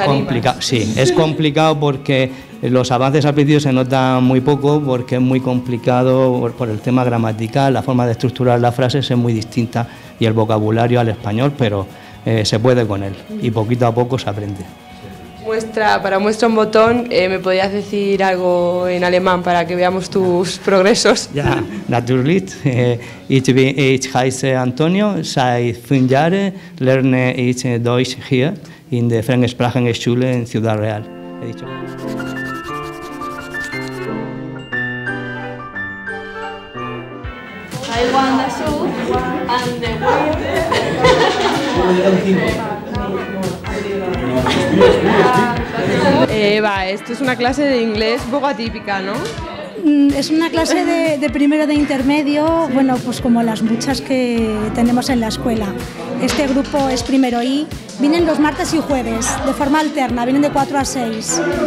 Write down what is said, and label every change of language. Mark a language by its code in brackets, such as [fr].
[es] complicado, sí, es complicado porque los avances al principio se notan muy poco porque es muy complicado por el tema gramatical, la forma de estructurar las frases es muy distinta y el vocabulario al español, pero se puede con él y poquito a poco se aprende. Para muestra un botón, ¿me podrías decir algo en alemán para que veamos tus progresos? [de] Ja, natürlich. Ich heiße Antonio, seit 5 Jahren lerne ich Deutsch hier in der Fremdsprachenschule in Ciudad Real. [es] He dicho. [en] I want the soup and the water. [es] Eva, esto es una clase de inglés un poco atípica, ¿no? Es una clase de primero de intermedio, bueno, pues como las muchas que tenemos en la escuela. Este grupo es primero I. Vienen los martes y jueves, de forma alterna, vienen de 4 a 6.